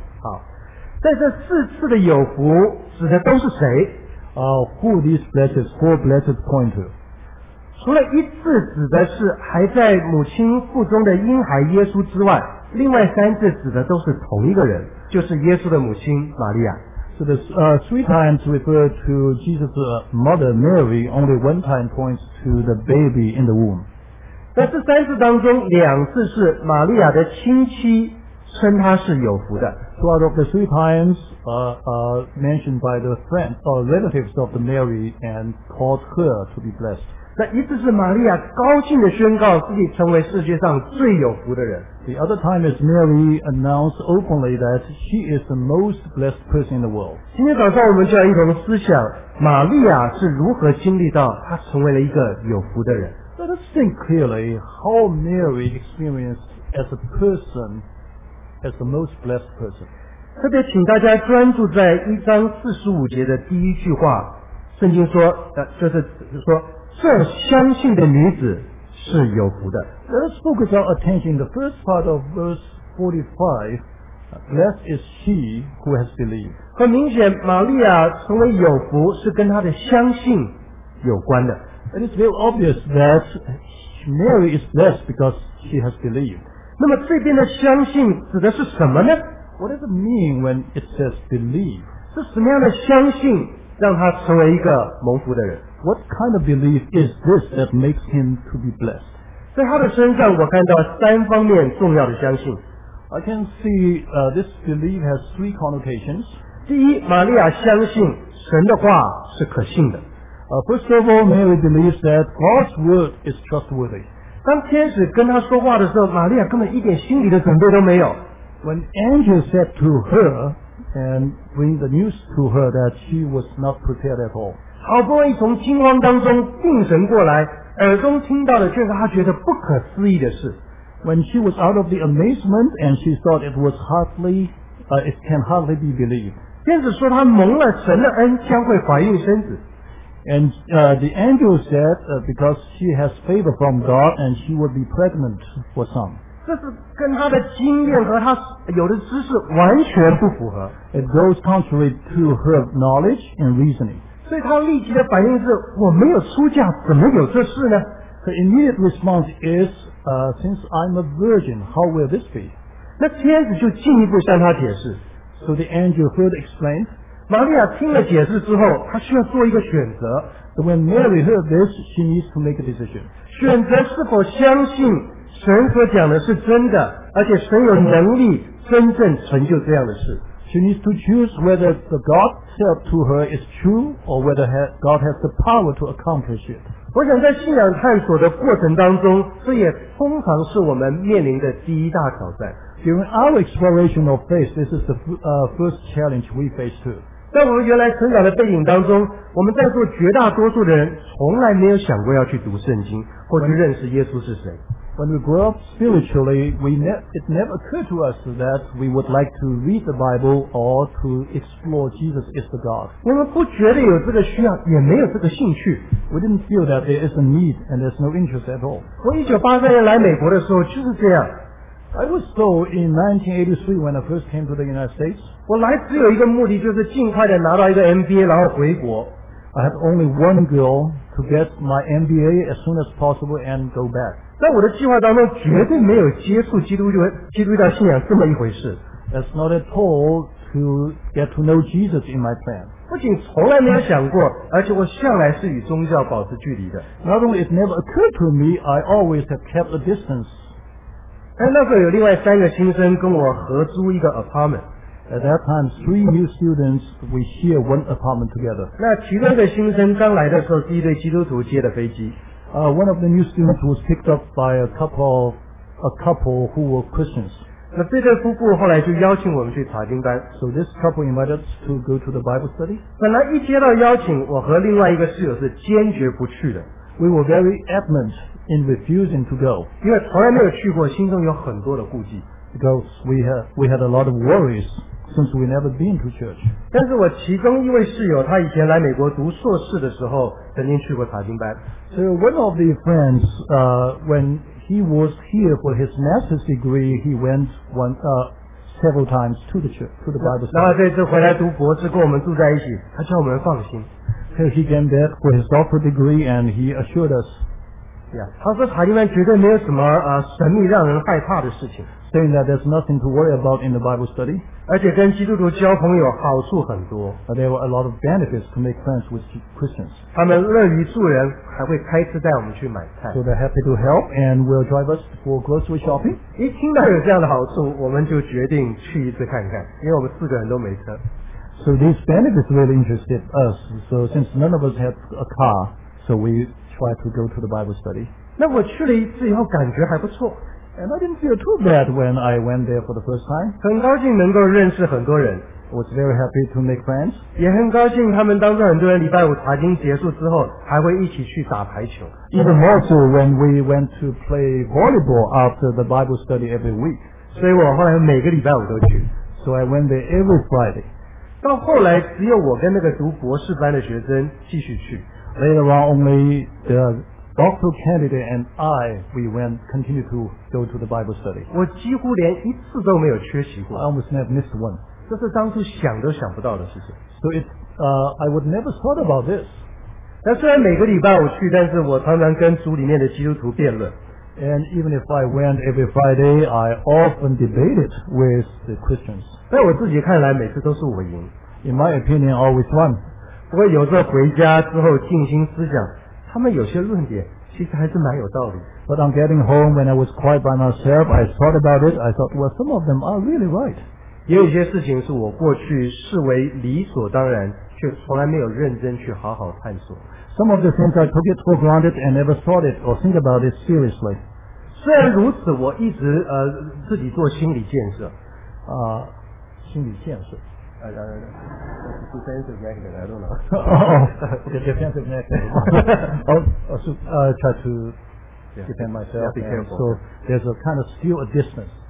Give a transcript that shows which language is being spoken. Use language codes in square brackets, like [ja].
[zh] 好在这四次的有福指的都是谁 [en] Who these blessed four blessed point to? [zh] 除了一次指的是还在母亲腹中的婴孩耶稣之外，另外三次指的都是同一个人，就是耶稣的母亲玛利亚。 [en] So the three times refer to Jesus' mother Mary, only one time points to the baby in the womb. [zh] 在这三次当中，两次是玛利亚的亲戚称她是有福的。 [en] So out of the three times, mentioned by the friends or relatives of the Mary and called her to be blessed. [zh] 那一次是玛利亚高兴地宣告自己成为世界上最有福的人。 [en] The other time is Mary announced openly that she is the most blessed person in the world. [zh] 今天早上我们就要一同思想玛利亚是如何经历到她成为了一个有福的人。 [en] Let us think clearly how Mary experienced as a person, as the most blessed person. [zh] 特别请大家专注在一章四十五节的第一句话，圣经说，就是说。这相信的女子是有福的。 [en] Let's focus our attention in the first part of verse 45. Blessed is she who has believed. [zh] 很明显，玛利亚成为有福是跟她的相信有关的。 [en] It is very obvious that Mary is blessed because she has believed. [zh] 那么这边的相信指的是什么呢？ [en] What does it mean when it says believe? [zh] 是什么样的相信让她成为一个蒙福的人？ [en] What kind of belief is this that makes him to be blessed? [zh] 在他的身上我看到三方面重要的相信。 [en] I can see this belief has three connotations. [zh] 第一，玛利亚相信神的话是可信的。 [en] First of all, Mary believes that God's word is trustworthy. [zh] 当天使跟他说话的时候，玛利亚根本一点心理的准备都没有。 [en] When angel said to her and bring the news to her that she was not prepared at all. [zh] 好不容易从惊慌当中定神过来，耳中听到的却是他觉得不可思议的事。 [en] When she was out of the amazement and she thought it was hardly, it can hardly be believed. [zh] 天使说他蒙了神的恩，将会怀孕生子。 [en] And the angel said because she has favor from God and she will be pregnant for some. [zh] 这是跟他的经验和他有的知识完全不符合。 [en] It goes contrary to her knowledge and reasoning. [zh] 所以他立即的反应是我没有出嫁，怎么有这事呢？ [en] Her immediate response is since I'm a virgin, how will this be? [zh] 那天使就进一步向他解释。 [en] So the angel further explained. [zh] 玛利亚听了解释之后，她需要做一个选择。 [en] When Mary heard this, she needs to make a decision. [zh] 选择是否相信神所讲的是真的，而且神有能力真正成就这样的事。 [en] She needs to choose whether the God said to her is true or whether God has the power to accomplish it. [zh] 我想在信仰探索的过程当中，这也通常是我们面临的第一大挑战。 [en] During our exploration of faith, this is the first challenge we face too. [zh] 在我们原来成长的背景当中，我们在座绝大多数的人从来没有想过要去读圣经或去认识耶稣是谁。 [en] When we grew up spiritually, it never occurred to us that we would like to read the Bible or to explore Jesus is the God. [zh] 我们不觉得有这个需要，也没有这个兴趣。 [en] We didn't feel that there is a need and there's no interest at all. [zh] 我1983年来美国的时候就是这样。 [en] I was so in 1983 when I first came to the United States. [zh] 我来只有一个目的，就是尽快的拿到一个 MBA 然后回国。 [en] I had only one goal to get my MBA as soon as possible and go back. [zh] 在我的计划当中绝对没有接触基督教信仰这么一回事。 [en] That's not at all to get to know Jesus in my plan. [zh] 不仅从来没有想过，而且我向来是与宗教保持距离的。 [en] Not only it never occurred to me, I always have kept a distance. [zh] 哎，那时候有另外三个新生跟我合租一个 apartment. [en] At that time, three new students we share one apartment together. [zh] 那其中的新生刚来的时候是一对基督徒接的飞机。 [en] One of the new students was picked up by a couple who were Christians. [zh] 那这对夫妇后来就邀请我们去查经班。 [en] So this couple invited us to go to the Bible study. [zh] 本来一接到邀请，我和另外一个室友是坚决不去的。 [en] We were very adamant. In refusing to go. [zh] 因为从来没有去过，心中有很多的顾忌。 [en] Because we had a lot of worries since we never been to church. [zh] 但是我其中一位室友，他以前来美国读硕士的时候，曾经去过查经班。 [en] So one of the friends, when he was here for his master's degree, he went several times to the Bible study. [zh] 然后这次回来读博士，跟我们住在一起，他叫我们放心。 [en] So he came back for his doctorate degree and he assured us. [zh] Yeah. 他说查经班绝对没有什么神秘让人害怕的事情。 [en] Saying that there's nothing to worry about in the Bible study. [zh] 而且跟基督徒交朋友好处很多。 [en] There were a lot of benefits to make friends with Christians. [zh] 他们乐于助人，还会开车带我们去买菜。 [en] So they're happy to help and will drive us for grocery shopping. [zh] 一听到有这样的好处，我们就决定去一次看看，因为我们四个人都没车。 [en] So these benefits really interested us. So since none of us had a car, so we. To go to the Bible study. [zh] 那我去了一次以后感觉还不错。 [en] And I didn't feel too bad when I went there for the first time. [zh] 很高兴能够认识很多人。 [en] I was very happy to make friends. [zh] 也很高兴他们当中很多人礼拜五查经结束之后还会一起去打排球。 [en] Even more so when we went to play volleyball after the Bible study every week. [zh] 所以我后来每个礼拜五都去。 [en] So I went there every Friday. [zh] 到后来只有我跟那个读博士班的学生继续去。 [en] Later on, only the doctoral candidate and I, we went, continued to go to the Bible study. [zh] 我几乎连一次都没有缺席过。 [en] I almost never missed one. [zh] 这是当初想都想不到的事情。 [en] So I would never thought about this. [zh] 但虽然每个礼拜我去，但是我常常跟组里面的基督徒辩论。 [en] And even if I went every Friday, I often debated with the Christians. [zh] 在我自己看来，每次都是我赢。 [en] In my opinion, always won. [zh] 不过有时候回家之后静心思想，他们有些论点其实还是蛮有道理。 [en] But on getting home when I was quiet by myself, I thought about it. I thought, well, some of them are really right. [zh] 也有些事情是我过去视为理所当然，却从来没有认真去好好探索。 [en] Some of the things I took it for granted and never thought it or think about it seriously. [zh] 虽然如此，我一直自己做心理建设，心理建设。 [en] Defensive method, I don't know. Defensive method. I'll try to defend myself. Yeah, be careful. So there's a kind of still a distance.